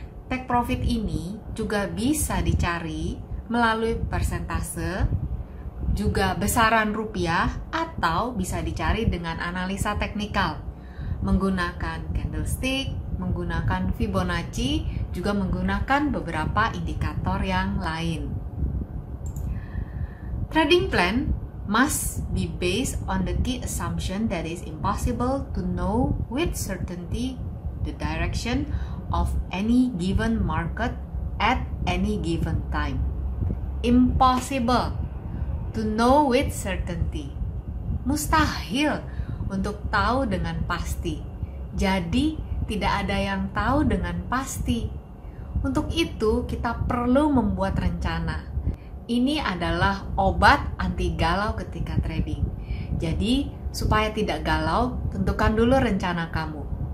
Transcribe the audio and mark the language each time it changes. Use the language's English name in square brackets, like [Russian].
[Indonesian] Take profit ini juga bisa dicari melalui persentase, juga besaran rupiah, atau bisa dicari dengan analisa teknikal menggunakan candlestick, menggunakan Fibonacci, juga menggunakan beberapa indikator yang lain. [English] Trading plan must be based on the key assumption that is impossible to know with certainty the direction of any given market at any given time. Impossible to know with certainty. [Indonesian] Mustahil untuk tahu dengan pasti. Jadi, tidak ada yang tahu dengan pasti. Untuk itu, kita perlu membuat rencana. Ini adalah obat anti galau ketika trading. Jadi, supaya tidak galau, tentukan dulu rencana kamu.